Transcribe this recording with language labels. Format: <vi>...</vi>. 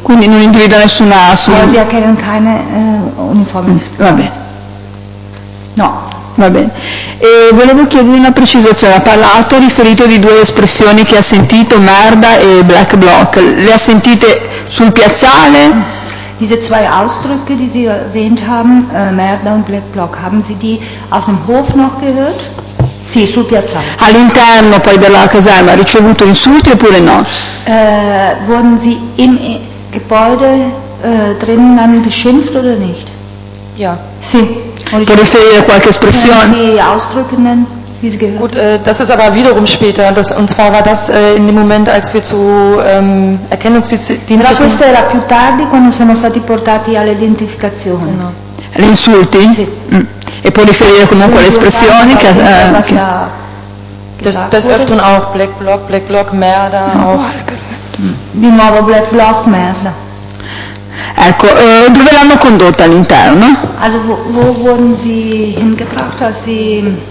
<it>Quindi non individua nessuna sia che erano</it> <de>keine</de> <it>uniformi. Va bene. No. Va bene. E volevo chiedere una precisazione. Ha parlato, ha riferito di due espressioni che ha sentito, merda e black bloc. Le ha sentite sul piazzale?</it> <de>Diese zwei Ausdrücke, die Sie erwähnt haben, Merda und Black Bloc, haben Sie die auf dem Hof noch gehört?</de> <it>Sì, sul piazzale. All'interno poi della caserma, ha ricevuto insulti oppure no?</it> <de>Wurden Sie im Gebäude drinnen dann beschimpft oder nicht? Ja.</de> <it>Sì. Può riferire qualche espressione?</it> <de>Können Sie Ausdrücke nennen? Gut, das ist aber wiederum später. Und zwar war das in dem Moment, als wir zu Erkennungsdiensten. Aber</de> <it>questo era più tardi quando siamo stati portati alle identificazioni. Gli insulti? Sì. E può riferire comunque alle espressioni che.</it> <de>Das öfteren auch Black Bloc, Black Bloc, Merda.</de> <it>Di nuovo Black Bloc, Merda. Ecco, dove l'hanno condotta all'interno?</it> <de>Also wo wurden sie hingebracht, als sie</de>